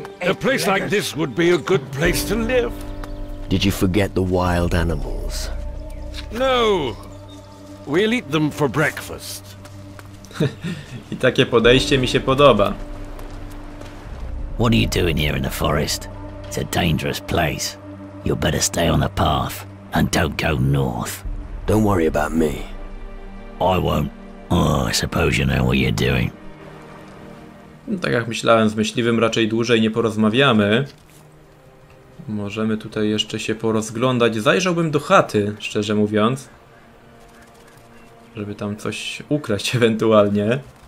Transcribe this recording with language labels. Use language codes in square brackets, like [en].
[en] A place like this would be a good place to live. Did you forget the wild animals? No. We'll eat them for breakfast. [pl] I takie podejście mi się podoba. [en] What are you doing here in the forest? It's a dangerous place. You better stay on the path and don't go north. Don't worry about me. I won't. Oh, I suppose you know what you're doing. [pl] No, tak jak myślałem, z myśliwym raczej dłużej nie porozmawiamy. Możemy tutaj jeszcze się porozglądać. Zajrzałbym do chaty, szczerze mówiąc. Żeby tam coś ukraść ewentualnie.